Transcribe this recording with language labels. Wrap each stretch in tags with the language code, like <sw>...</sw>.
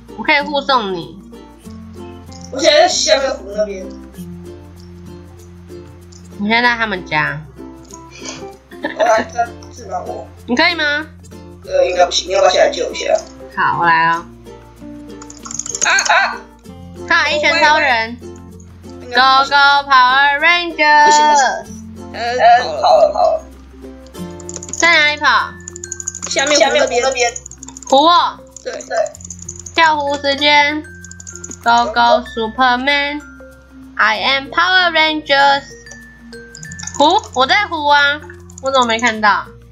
<zh>我可以护送你。我现在在下面湖那边。我现在在他们家。我来治疗我。你可以吗？应该不行，要不要下来救一下？好，我来啊！看，一拳超人</zh> <en>，Go Go Power Rangers！</en> <zh>跑了，在哪里跑？下面湖那边，湖。对，跳湖时间</zh> <en>，Go Go Superman！I am Power Rangers！</en> <zh>湖，我在湖啊，我怎么没看到？</zh>